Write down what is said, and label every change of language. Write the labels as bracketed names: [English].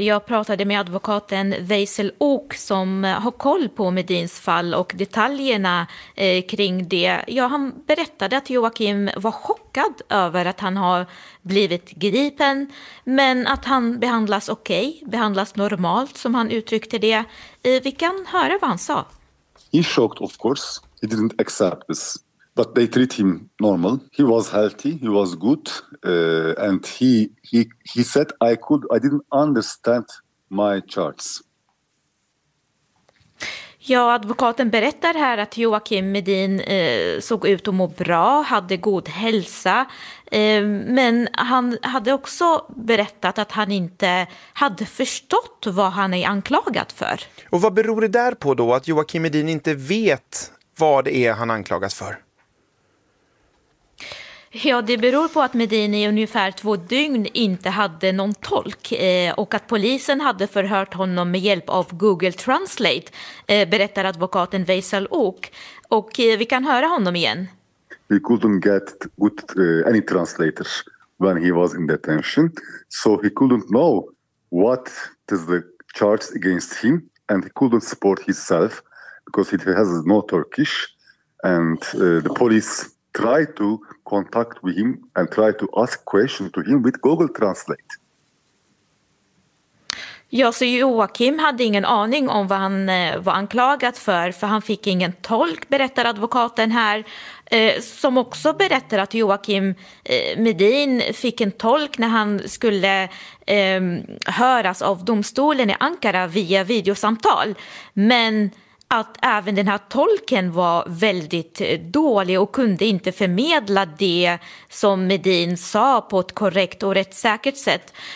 [Swedish] Jag pratade med advokaten Veysel Ok som har koll på Medins fall och detaljerna kring det. Ja, han berättade att Joakim var chockad över att han har blivit gripen, men att han behandlas okej, behandlas normalt som han uttryckte det. Vi kan höra vad han sa. [English] He shocked, of course. He didn't accept this. but they treat him normal. He was healthy, he was good, and he said I didn't understand my charts. [Swedish] Ja, advokaten berättar här att Joakim Medin såg ut att må bra, hade god hälsa. Men han hade också berättat att han inte hade förstått vad han är anklagad för. Och vad beror det där på då, att Joakim Medin inte vet vad det är han anklagas för? Ja, det beror på att Medin i ungefär 2 dygn inte hade någon tolk och att polisen hade förhört honom med hjälp av Google Translate, berättar advokaten Veysel Ok. Och vi kan höra honom igen. [English] We couldn't get good any translators when he was in detention, so he couldn't know what is the charge against him, and he couldn't support himself because he has no Turkish, and the police try to contact with him and try to ask questions to him with Google Translate. [Swedish] Ja, så Joakim hade ingen aning om vad han var anklagad för han fick ingen tolk, berättar advokaten här, som också berättar att Joakim Medin fick en tolk när han skulle höras av domstolen i Ankara via videosamtal, men att även den här tolken var väldigt dålig och kunde inte förmedla det som Medin sa på ett korrekt och rättssäkert sätt.